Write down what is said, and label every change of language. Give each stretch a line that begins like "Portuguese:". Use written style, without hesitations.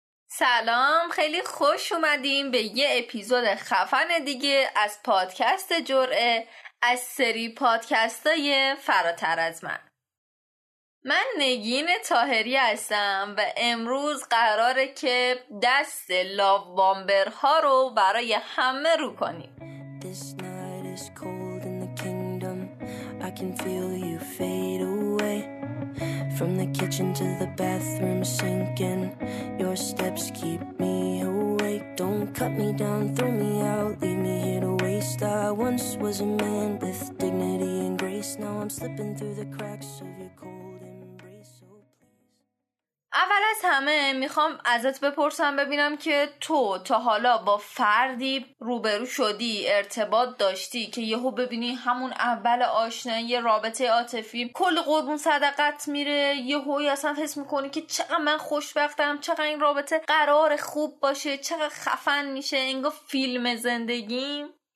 Persian: سلام، خیلی خوش اومدیم به یه اپیزود خفن دیگه از پادکست جرعه، از سری پادکست های فراتر از من. من نگین طاهری هستم و امروز قراره که دست لاو بامبر ها رو برای همه رو کنیم.
English: This night is cold in the kingdom. I can feel you fade away. From the kitchen to the bathroom sinking, your steps keep me awake. Don't cut me down, throw me out, leave me here to waste. I once was a man with dignity and grace. Now I'm slipping through the cracks of your cold embrace. Oh, please.
Persian: اول از همه میخوام ازت بپرسم ببینم که تو تا حالا با فردی روبرو شدی، ارتباط داشتی که یهو ببینی همون اول آشنایی رابطه عاطفی کل قربون صدقت میره، یهو اصلا حس میکنی که چقدر من خوشبختم، چقدر این رابطه قرار خوب باشه، چقدر خفن میشه، انگار فیلم زندگیم.